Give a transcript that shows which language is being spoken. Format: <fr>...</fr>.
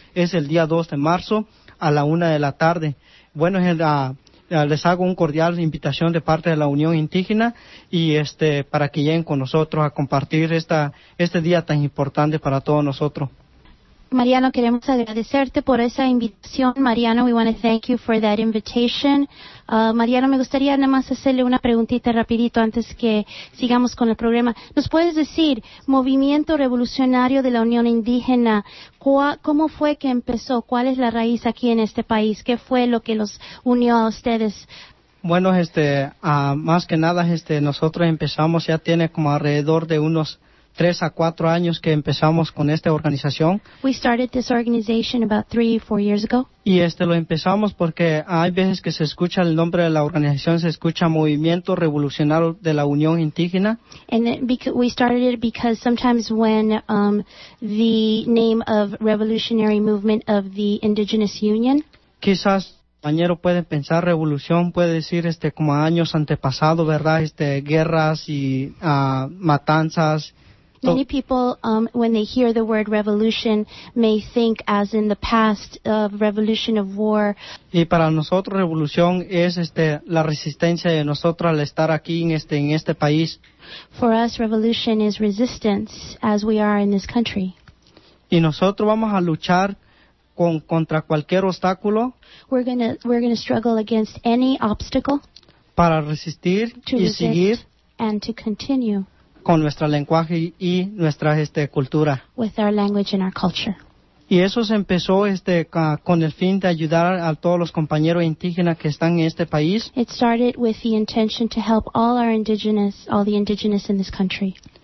<es>Es el día 2 de marzo a la 1 de la tarde. Bueno, les hago un cordial invitación de parte de la Unión Indígena, y para que lleguen con nosotros a compartir este día tan importante para todos nosotros. Mariano, queremos agradecerte por esa invitación.</es> <en>Mariano, we want to thank you for that invitation.</en> <es>Mariano, me gustaría nada más hacerle una preguntita rapidito antes que sigamos con el programa. ¿Nos puedes decir, Movimiento Revolucionario de la Unión Indígena, cómo fue que empezó? ¿Cuál es la raíz aquí en este país? ¿Qué fue lo que los unió a ustedes? Bueno, más que nada, nosotros empezamos, ya tiene como alrededor de unos 3 a 4 años que empezamos con esta organización.</es> <en>We started this organization about 3-4 years ago.</en> <es>Y lo empezamos porque hay veces que se escucha el nombre de la organización, se escucha Movimiento Revolucionario de la Unión Indígena.</es> <en>And we started it because sometimes when the name of Revolutionary Movement of the Indigenous Union.</en> <es>Quizás compañero puede pensar revolución, puede decir como años antepasados, ¿verdad? Guerras y matanzas.</es> <en>Many people, when they hear the word revolution, may think as in the past of revolution of war.</en> <es>Y para nosotros revolución es la resistencia de nosotros al estar aquí en este país.</es> <en>For us, revolution is resistance as we are in this country.</en> <es>Y nosotros vamos a luchar contra cualquier obstáculo.</es> <en>We're gonna struggle against any obstacle.</en> <es>Para resistir y seguir.</es> <en>And to continue.</en> <es>Con nuestro lenguaje y nuestra cultura.</es> <en>With our language and our culture.</en> <es>Y eso se empezó con el fin de ayudar a todos los compañeros indígenas que están en este país.</es> <en>It started with the intention to help all the indigenous in this country.</en>